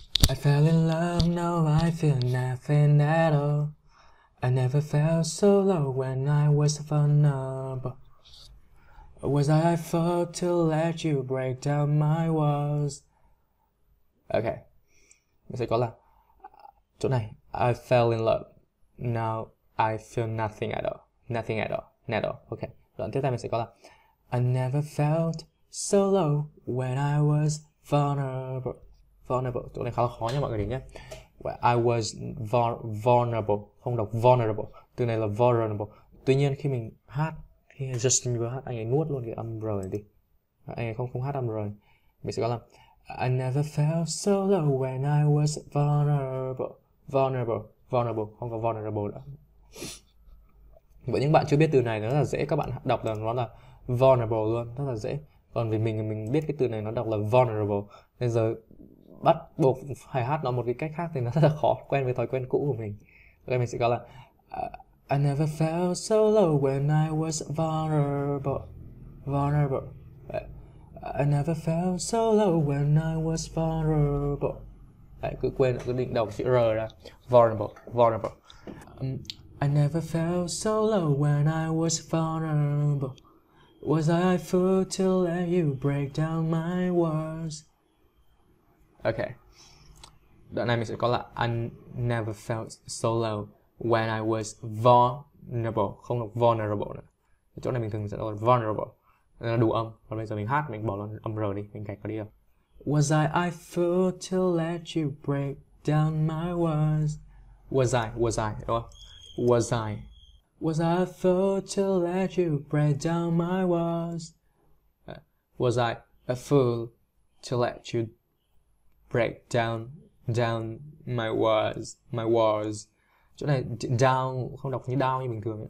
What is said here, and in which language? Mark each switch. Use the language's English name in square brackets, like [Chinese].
[English] I fell in love, now I feel nothing at all. I never felt so low when I was vulnerable. Or was I at fault to let you break down my walls? [Vietnamese] Okay, mình sẽ có là chỗ này. [English] I fell in love, now I feel nothing at all. Nothing at all, not at all. [Vietnamese] Okay, đoạn tiếp theo mình sẽ có là [English] I never felt so low when I was vulnerable. [Vietnamese] Vulnerable, chỗ này khá là khó nha mọi người nhé. [English] When I was vulnerable, [Vietnamese] không đọc vulnerable, từ này là vulnerable. Tuy nhiên khi mình hát, khi Justin vừa hát, anh ấy nuốt luôn cái âm R này đi. Anh ấy không hát âm R. Mình sẽ có là [English] I never felt so low when I was vulnerable. [Vietnamese] Vulnerable, vulnerable, không có vulnerable nữa. Với những bạn chưa biết từ này nó rất là dễ, các bạn đọc là nó là vulnerable luôn, rất là dễ. Còn vì mình biết cái từ này nó đọc là vulnerable, nên giờ bắt buộc phải hát nó một cái cách khác thì nó rất là khó, quen với thói quen cũ của mình. Đây mình sẽ gọi là [English] I never felt so low when I was vulnerable. Vulnerable. I never felt so low when I was vulnerable. [Vietnamese] Đấy, cứ quên, cứ định đọc chữ R ra. [English] Vulnerable, vulnerable. I never felt so low when I was vulnerable. Was I a fool to let you break down my walls? [Vietnamese] Ok. Đoạn này mình sẽ có là [English] I never felt so low when I was vulnerable. [Vietnamese] Không đọc vulnerable nữa. Chỗ này mình thường sẽ đọc là vulnerable. Nó đủ âm. Còn bây giờ mình hát, mình bỏ luôn âm R đi. Mình gạch nó đi không? [English] Was I fool to let you break down my walls? Was I, [Vietnamese] đúng không? [English] Was I? Was I a fool to let you break down my walls? Was I a fool to let you break down my walls? My walls. [Vietnamese] Chỗ này down không đọc như down như bình thường.